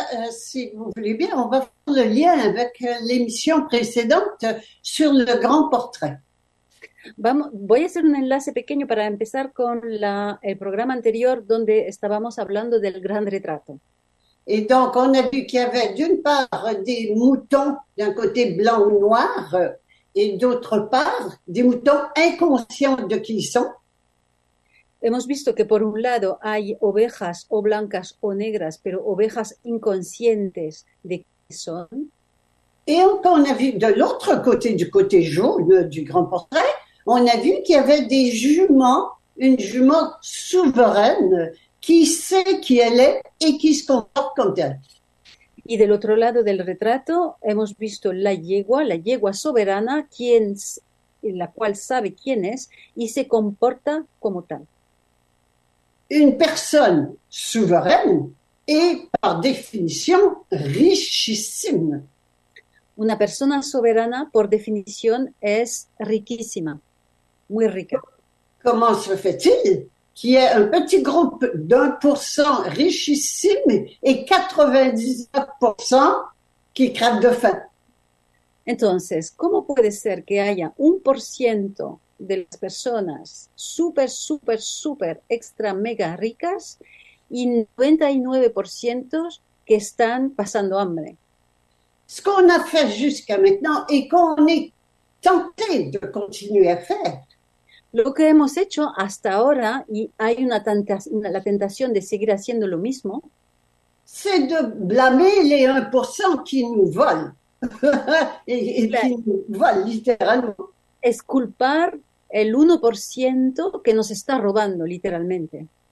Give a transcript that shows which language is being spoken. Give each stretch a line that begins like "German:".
French: Si vous voulez bien, on va faire le lien avec l'émission précédente sur le grand portrait.
Spanish: Voy a hacer un enlace pequeño para empezar con el programa anterior donde estábamos hablando del gran retrato.
French: Y donc on a vu qu'il y avait d'une part des moutons d'un côté blanc ou noir et d'autre part des moutons inconscients de qui ils sont.
Spanish: Hemos visto que por un lado hay ovejas o blancas o negras, pero ovejas inconscientes de
French: qui
Spanish: son.
French: Et encore on a vu de l'autre côté, du côté jaune du grand portrait, on a vu qu'il y avait des juments une jument souveraine qui sait qui elle est et qui se comporte comme telle.
Spanish: Y del otro lado del retrato hemos visto la yegua soberana, quien, la cual sabe quién es y se comporta como tal.
French: Une personne souveraine est par définition richissime.
Spanish: Una persona soberana por definición es riquísima, muy rica.
French: Comment se fait-il qu'il y ait un petit groupe d'1% richissime et 99% qui crèvent de faim?
Spanish: Entonces, ¿cómo puede ser que haya 1% de las personas super, super, super, extra, mega ricas y 99% que están pasando hambre?
French: Ce qu'on a fait jusqu'à maintenant et qu'on est tenté de continuer à faire.
Spanish: Lo que hemos hecho hasta ahora y hay la tentación de seguir haciendo lo mismo.
French: C'est de blâmer les 1% qui nous volent. qui nous volent littéralement.
Spanish: Es culpar el 1% que nos está robando literalmente.